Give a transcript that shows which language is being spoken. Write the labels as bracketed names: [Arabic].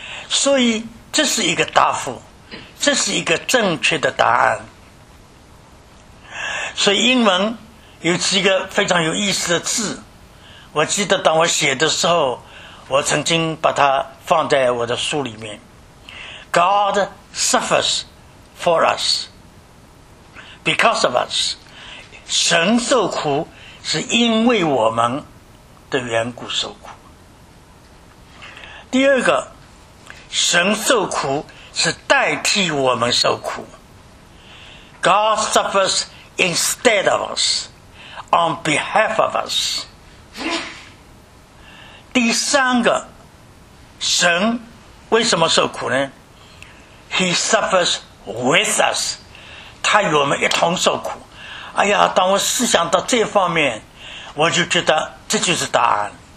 [Chinese] 所以这是一个答复，这是一个正确的答案。所以英文有几个非常有意思的字，我记得当我写的时候，我曾经把它放在我的书里面。 [English] God suffers for us because of us. [Chinese] 神受苦是因为我们的缘故受苦。第二个，神受苦是代替我们受苦。 [English] God suffers instead of us, on behalf of us. [Chinese] 第三个，神为什么受苦呢？ [English] He suffers with us. [Chinese] 他与我们一同受苦。哎呀，当我思想到这方面，我就觉得这就是答案。